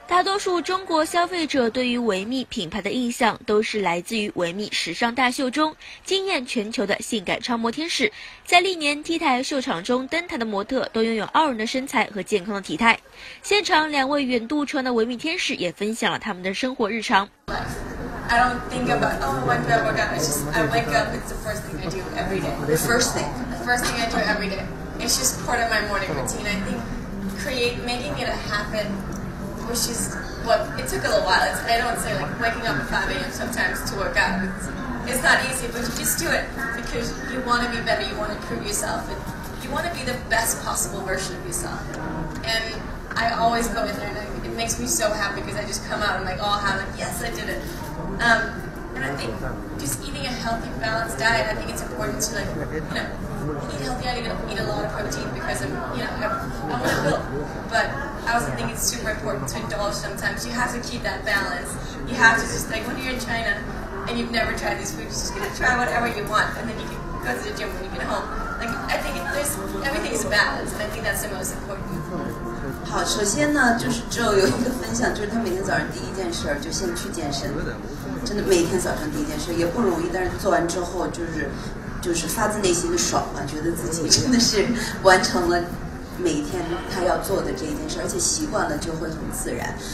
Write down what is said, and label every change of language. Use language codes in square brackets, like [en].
[zh] 大多数中国消费者对于维密品牌的印象都是来自于维密时尚大秀中惊艳全球的性感超模天使。在历年 T 台秀场中登台的模特都拥有傲人的身材和健康的体态。现场两位远渡重洋的维密天使也分享了他们的生活日常。 [en] I don't think about, oh, when do I work out? It's just, I wake up, it's the first thing I do every day. The first thing I do every day. It's just part of my morning routine. I think making it happen, which is what, it took a little while. I don't say like waking up at 5 a.m. sometimes to work out. It's not easy, but you just do it because you want to be better. You want to prove yourself. And you want to be the best possible version of yourself. And I always go in there and it makes me so happy because I just come out and like, oh, I'm like, yes, I did it. And I think just eating a healthy, balanced diet, I think it's important to, like, you know, eat healthy, I need to eat a lot of protein because I'm going to build. But I also think it's super important to indulge sometimes. You have to keep that balance. You have to just, like, when you're in China and you've never tried these foods, you're just going to try whatever you want, and then you can go to the gym when you get home. Like, I think everything is balanced, and I think that's the most important. [zh] 好，首先呢，就是Joe有一个分享，就是他每天早上第一件事就先去健身，真的每天早上第一件事也不容易，但是做完之后就是发自内心的爽嘛，觉得自己真的是完成了每天他要做的这一件事，而且习惯了就会很自然。